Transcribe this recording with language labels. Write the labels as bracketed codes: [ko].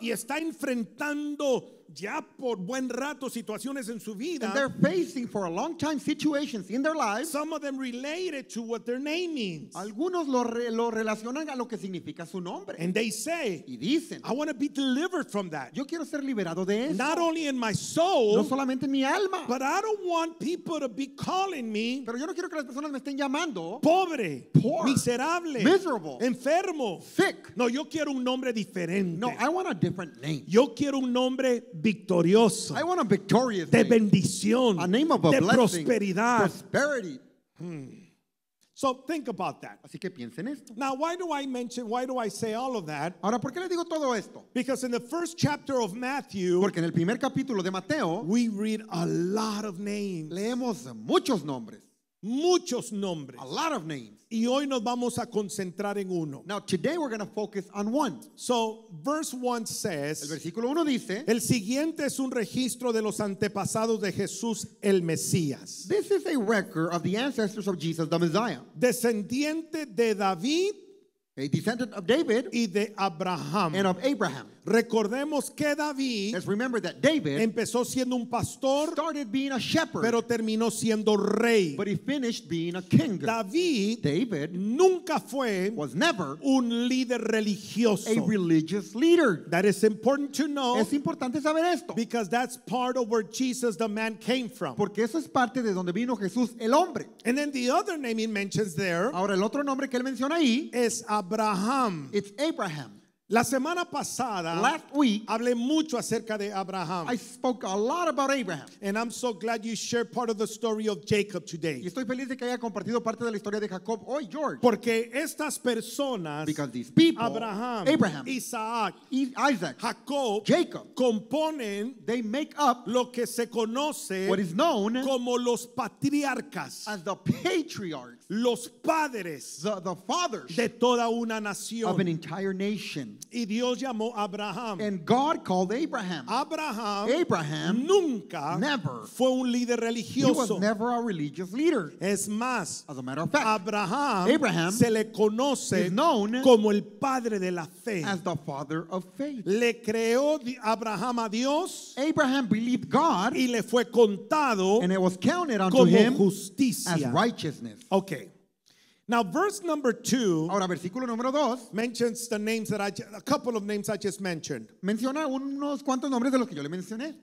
[es] Y está enfrentando ya por buen rato situaciones en su vida. [en] And they're facing for a long time situations in their lives. Some of them related to what their name means. [es] Algunos lo relacionan a lo que significa su nombre. [en] And they say. [es] Y dicen. [en] I want to be delivered from that. [es] Yo quiero ser liberado de eso. [en] Not only in my soul. [es] No solamente en mi alma. [en] But I don't want people to be calling me. [es] Pero yo no quiero que las personas me estén llamando. Pobre. [en] Poor. [es] Miserable. [en] Miserable. [es] Enfermo. [en] Sick. [es] No, yo quiero un nombre diferente. [en] No, I want a different name. [es] Yo quiero un nombre victorioso. [en] I want a victorious [es] de bendición, [en] name. A name of a [es] de [en] blessing. [es] Prosperidad. [en] Prosperity. So think about that. [es] Así que piensa en esto. [en] Now, why do I say all of that? [es] Ahora, ¿por qué le digo todo esto? [en] Because in the first chapter of Matthew, [es] porque en el primer capítulo de Mateo, [en] we read a lot of names. [es] Leemos muchos nombres. Muchos nombres. [en] A lot of names. [es] Y hoy nos vamos a concentrar en uno. [en] Now today we're going to focus on one. So verse 1 says, [es] el versículo 1 dice, el siguiente es un registro de los antepasados de Jesús el Mesías. [en] This is a record of the ancestors of Jesus the Messiah. [es] Descendiente de David. [en] A descendant of David [es] y de Abraham. [en] And of Abraham. [es] Recordemos que David, [en] let's remember that David [es] empezó siendo un pastor, [en] started being a shepherd, [es] pero terminó siendo rey. [en] But he finished being a king. [es] David nunca fue [en] was never [es] un líder religioso. [en] A religious leader. That is important to know. [es] Es importante saber esto. [en] Because that's part of where Jesus the man came from. [es] Porque eso es parte de donde vino Jesús el hombre. [en] And then the other name he mentions there, [es] ahora el otro nombre que él menciona ahí, es Abraham. [en] It's Abraham. [es] La semana pasada, [en] last week, [es] hablé mucho acerca de Abraham. [en] I spoke a lot about Abraham. And I'm so glad you shared part of the story of Jacob today. [es] Y estoy feliz de que haya compartido parte de la historia de Jacob hoy, George. Porque estas personas, [en] because these people, Abraham, Isaac, Isaac, Jacob, Jacob, [es] componen, [en] they make up [es] lo que se conoce, [en] what is known, [es] como los patriarcas, [en] as the patriarchs, [es] los padres, [en] the fathers, [es] de toda una nación, [en] of an entire nation. [es] Y Dios llamó Abraham. [en] And God called Abraham. [es] Abraham nunca [en] never [es] fue un líder religioso. [en] He was never a religious leader. [es] Es más, [en] as a matter of fact, [es] Abraham se le conoce [en] is known [es] como el padre de la fe. [en] As the father of faith. [es] Le creó Abraham a Dios. [en] Abraham believed God. [es] Y le fue contado, [en] and it was counted unto [es] como [en] him [es] justicia, [en] as righteousness. Okay. Now, verse number 2, [es] ahora, versículo número 2, [en] mentions the names that a couple of names I just mentioned. [es] Menciona unos cuantos nombres de los que yo le mencioné.